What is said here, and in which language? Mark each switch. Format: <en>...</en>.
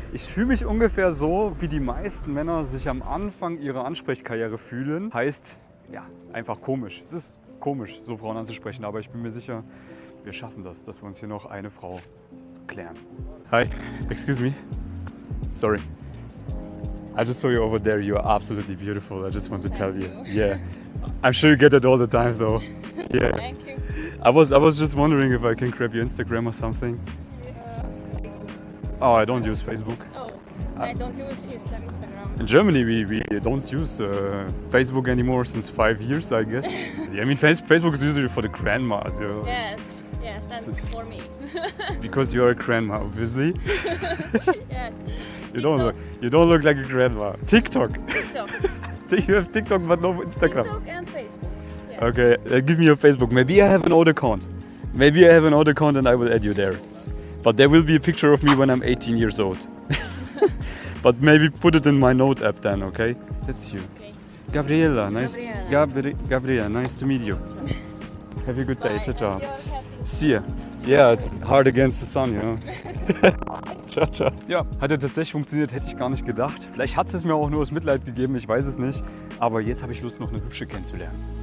<de>Ich fühle mich ungefähr so, wie die meisten Männer sich am Anfang ihrer Ansprechkarriere fühlen. Heißt, ja, einfach komisch. Es ist komisch, so Frauen anzusprechen, aber ich bin mir sicher, wir schaffen das, dass wir uns hier noch eine Frau klären.</de> <en>Hi, excuse me. Sorry. I just saw you over there. You are absolutely beautiful. I just want to tell you. Yeah. I'm sure you get that all the time though. Yeah. I was just wondering if I can grab your Instagram or something. Facebook. Oh, I don't use Facebook. Oh, I don't use Instagram. In Germany, we don't use Facebook anymore since 5 years, I guess. Yeah, I mean, Facebook is usually for the grandmas. You know? Yes, and so, for me. Because you're a grandma, obviously. Yes. You don't look like a grandma. TikTok. TikTok. You have TikTok, but no Instagram. TikTok and Facebook. Okay, give me your Facebook. Maybe I have an old account. Maybe I have an old account and I will add you there. But there will be a picture of me when I'm 18 years old. But maybe put it in my note app then, okay? That's you. Okay. Gabriela, nice. Gabriela, nice to meet you. Have a good day. Bye. Ciao, ciao. See ya. Yeah, it's hard against the sun, you know.</en> <de>Ciao, ciao. Ja, hat ja tatsächlich funktioniert, hätte ich gar nicht gedacht. Vielleicht hat es mir auch nur aus Mitleid gegeben, ich weiß es nicht. Aber jetzt habe ich Lust, noch eine Hübsche kennenzulernen.</de>